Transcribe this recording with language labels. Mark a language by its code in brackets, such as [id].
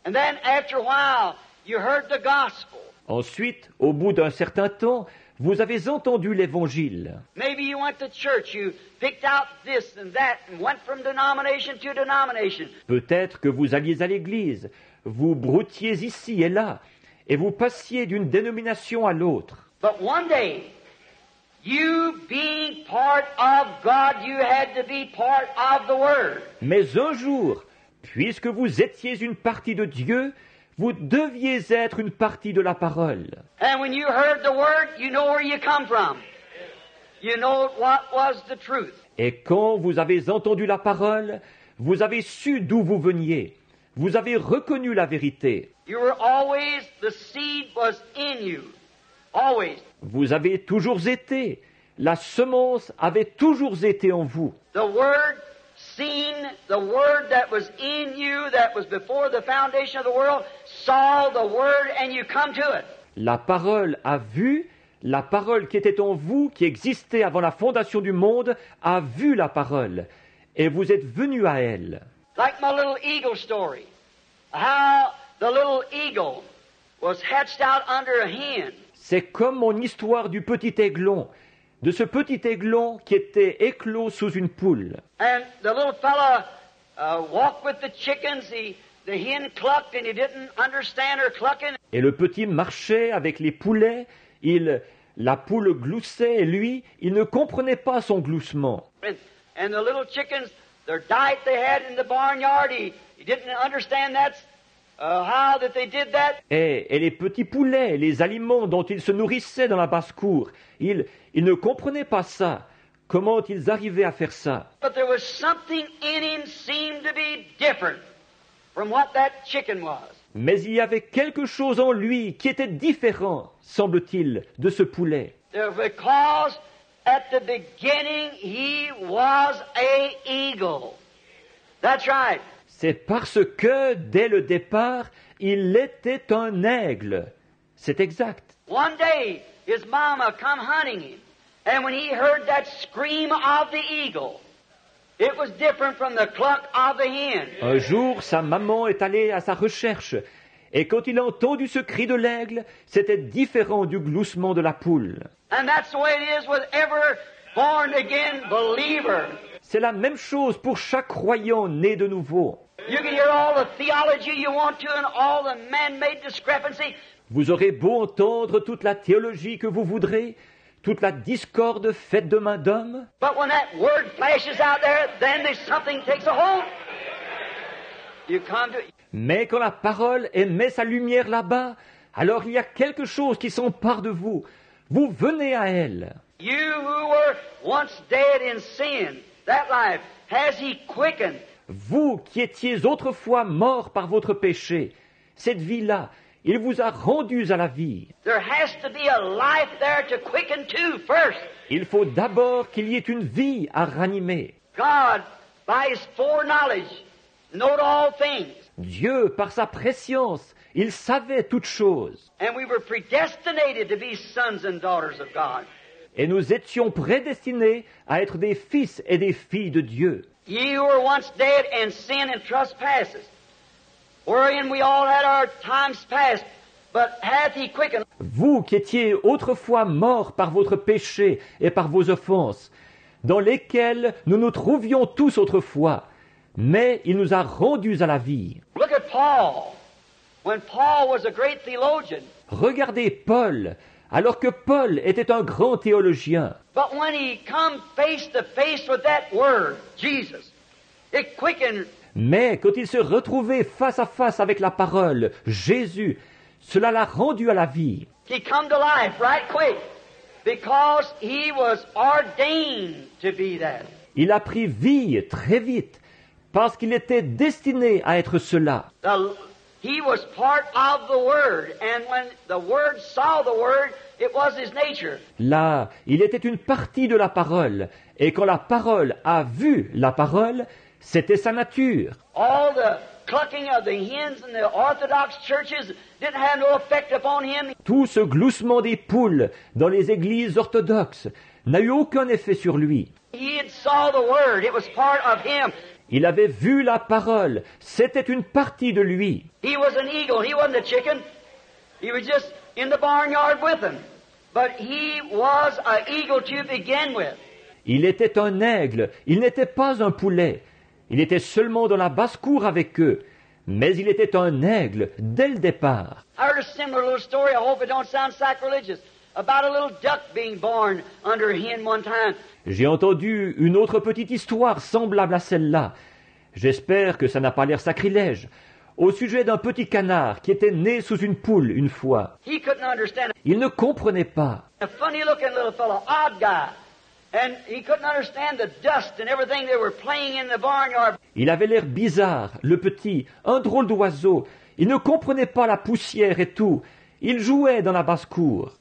[en] And then, after a while, you heard the gospel. [fr] Ensuite, au bout d'un certain temps, vous avez entendu l'Évangile. [en] Maybe you went to church, you picked out this and that and went from denomination to denomination. [fr] Peut-être que vous alliez à l'église, vous broutiez ici et là, et vous passiez d'une dénomination à l'autre. [en] But one day, you being part of God, you had to be part of the Word. [fr] Mais un jour, puisque vous étiez une partie de Dieu, vous deviez être une partie de la parole. [en] And when you heard the word, you know where you come from. You know what was the truth. [fr] Et quand vous avez entendu la parole, vous avez su d'où vous veniez. Vous avez reconnu la vérité. [en] You were always, the seed was in you. Always. [fr] Vous avez toujours été. La semence avait toujours été en vous. [en] The word seen, the word that was in you, that was before the foundation of the world, saw the word and you come to it. [fr] La parole a vu, la parole qui était en vous, qui existait avant la fondation du monde, a vu la parole et vous êtes venu à elle. [en] Like my little eagle story, how the little eagle was hatched out under a hen. [fr] C'est comme mon histoire du petit aiglon, de ce petit aiglon qui était éclos sous une poule. [en] And the little fella walked with the chickens. The hen clucked and he didn't understand her clucking. [fr] Et le petit marchait avec les poulets. La poule gloussait et lui, il ne comprenait pas son gloussement. [en] And the little chickens, their diet they had in the barnyard, he didn't understand that's how that they did that. [fr] Et les petits poulets, les aliments dont ils se nourrissaient dans la basse-cour, ils ne comprenaient pas ça. Comment ils arrivaient à faire ça? [en] But there was something in him seemed to be different. From what that chicken was. [fr] Mais il y avait quelque chose en lui qui était différent, semble-t-il, de ce poulet. [en] Because at the beginning he was a eagle. That's right. [fr] C'est parce que dès le départ, il était un aigle. C'est exact. [en] One day his mama come hunting him, and when he heard that scream of the eagle. It was different from the cluck of the hen. [fr] Un jour, sa maman est allée à sa recherche, et quand il a entendu ce cri de l'aigle, c'était différent du gloussement de la poule. [en] And that's the way it is with every born again believer. [fr] C'est la même chose pour chaque croyant né de nouveau. [en] You can hear all the theology you want to and all the man-made discrepancy. [fr] Vous aurez beau entendre toute la théologie que vous voudrez, toute la discorde faite de main d'homme. [en] But when that word flashes out there, then there's something takes a hold. You come to... [fr] Mais quand la parole émet sa lumière là-bas, alors il y a quelque chose qui s'empare de vous. Vous venez à elle. [en] You who were once dead in sin, that life has he quickened. [fr] Vous qui étiez autrefois mort par votre péché, cette vie-là, il vous a rendus à la vie. [en] There has to be a life there to quicken to first. [fr] Il faut d'abord qu'il y ait une vie à ranimer. [en] God, by his foreknowledge, knows all things. [fr] Dieu, par sa prescience, il savait toutes choses. [en] And we were predestinated to be sons and daughters of God. [fr] Et nous étions prédestinés à être des fils et des filles de Dieu. [en] Ye were once dead in sin and trespasses, wherein we all had our times past, but hath he quickened. [fr] Vous qui étiez autrefois morts par votre péché et par vos offenses, dans lesquelles nous nous trouvions tous autrefois, mais il nous a rendus à la vie. [en] Look at Paul. When Paul was a great theologian. [fr] Regardez Paul, alors que Paul était un grand théologien. [en] But when he came face to face with that word, Jesus, it quickened. [fr] Mais quand il se retrouvait face à face avec la parole, Jésus, cela l'a rendu à la vie. [en] He came to life right quick because he was ordained to be that. [fr] Il a pris vie très vite parce qu'il était destiné à être cela. [en] He was part of the Word, and when the Word saw the Word, it was his nature. [fr] Là, il était une partie de la parole, et quand la parole a vu la parole, c'était sa nature. [en] All the clucking of the hens in the Orthodox churches didn't have no effect upon him. [fr] Tout ce gloussement des poules dans les églises orthodoxes n'a eu aucun effet sur lui. [en] He had saw the Word, it was part of him. [fr] Il avait vu la parole. C'était une partie de lui. [en] He was an eagle. He wasn't a chicken. He was just in the barnyard with him. But he was an eagle to begin with. [fr] Il était un aigle. Il n'était pas un poulet. Il était seulement dans la basse-cour avec eux. Mais il était un aigle dès le départ. [en] I heard a similar little story. I hope it don't sound sacrilegious. About a little duck being born under a hen one time. [fr] J'ai entendu une autre petite histoire semblable à celle-là. J'espère que ça n'a pas l'air sacrilège. Au sujet d'un petit canard qui était né sous une poule une fois. [en] He couldn't understand. [fr] Il ne comprenait pas. [en] A funny looking little fellow, odd guy. And he couldn't understand the dust and everything they were playing in the barnyard. [fr] Il avait l'air bizarre, le petit, un drôle d'oiseau. Il ne comprenait pas la poussière et tout. Il jouait dans la basse-cour.